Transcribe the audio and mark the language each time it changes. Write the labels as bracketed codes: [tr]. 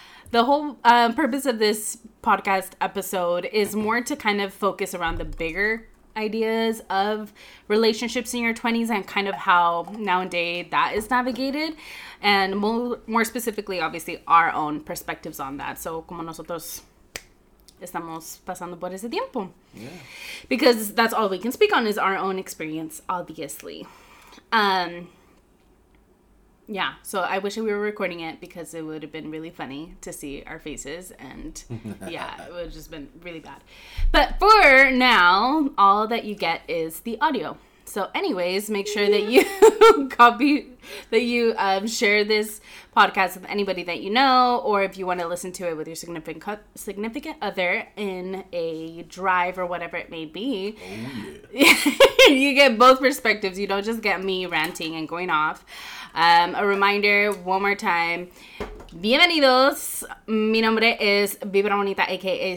[en] The whole purpose of this podcast episode is more to kind of focus around the bigger ideas of relationships in your 20s and kind of how nowadays that is navigated, and more specifically, obviously, our own perspectives on that. [es] So, como nosotros estamos pasando por ese tiempo. [en] Yeah. Because that's all we can speak on is our own experience, obviously. Yeah, so I wish we were recording it because it would have been really funny to see our faces. And yeah, it would have just been really bad. But for now, all that you get is the audio. So anyways, make sure that you copy, that you share this podcast with anybody that you know. Or if you want to listen to it with your significant other in a drive or whatever it may be. Oh, yeah. You get both perspectives. You don't just get me ranting and going off. A reminder, one more time. [es] Bienvenidos. Mi nombre es Vibra Bonita, a.k.a.